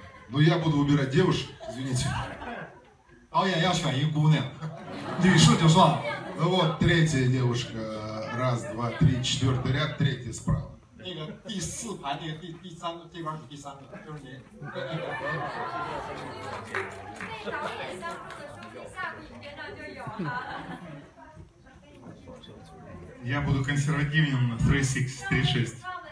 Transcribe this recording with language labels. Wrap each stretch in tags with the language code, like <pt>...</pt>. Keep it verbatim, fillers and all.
<ru>Ну я буду выбирать девушек, извините.</ru> <zh>导演要选一个姑娘。女士就算了。</zh> <ru>Ну вот третья девушка, раз, два, три, четвертый ряд, третья справа.</ru> <zh>那个第四排那个第第三这边是第三个，就是您。对对对。导演当初的说明，下部影片上就有哈。</zh> <ru>Я буду консервативным на тридцать шесть.</ru>